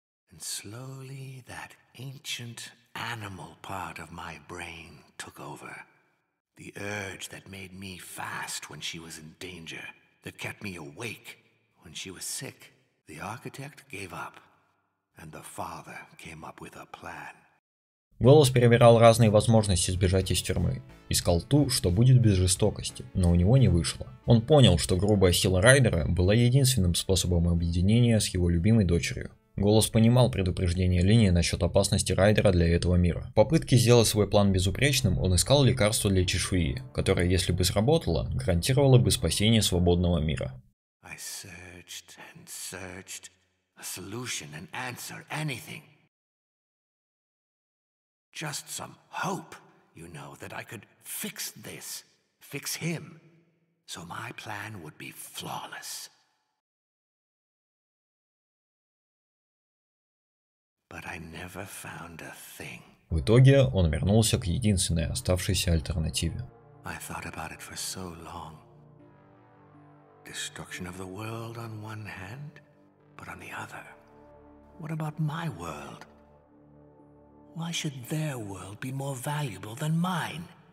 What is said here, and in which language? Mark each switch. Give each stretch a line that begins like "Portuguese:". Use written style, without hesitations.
English: And slowly that ancient animal part of my brain took over. The urge that made me fast when she was in danger, that kept me awake when she was sick. The architect gave up, and the father came up with a plan.
Russian: Голос перебирал разные возможности сбежать из тюрьмы. Искал ту, что будет без жестокости, но у него не вышло. Он понял, что грубая сила Райдера была единственным способом объединения с его любимой дочерью. Голос понимал предупреждение Линии насчет опасности Райдера для этого мира. В попытке сделать свой план безупречным, он искал лекарство для чешуи, которое, если бы сработало, гарантировало бы спасение свободного мира.
English: I searched and searched. A solution, an answer, anything. Just some hope, you know, that I could fix this, fix him, so my plan would be flawless. But I never found a thing.
Russian: В итоге он вернулся к единственной оставшейся альтернативе.
English: I thought about it for so long. Destruction of the world on one hand, but on the other, what about my world? Why should their world be more valuable than mine?